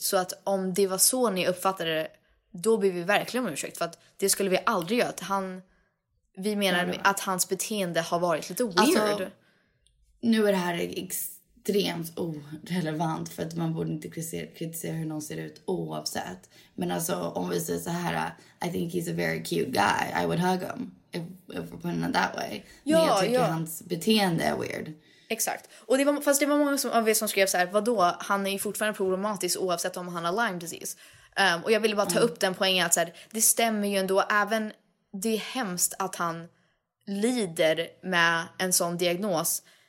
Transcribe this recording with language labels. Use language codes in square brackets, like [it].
[sv] Så att om det var så ni uppfattade det, då blir vi verkligen ursäkt, för att det skulle vi aldrig göra. Att han, vi menar att hans beteende har varit lite weird. Alltså, nu är det här extremt orelevant, för att man borde inte kritisera hur någon ser ut oavsett. Men alltså, om vi säger så här, [en] I think he's a very cute guy, I would hug him if we're putting it that way. [sv] Ja, men jag tycker ja. Hans beteende är weird. Exakt. Och det var, fast det var många som, av er som skrev så här, vadå, han är ju fortfarande problematisk oavsett om han har Lyme disease. Och jag ville bara ta upp den poängen att så här, det stämmer ju ändå, även det är hemskt att han lider med en sån diagnos.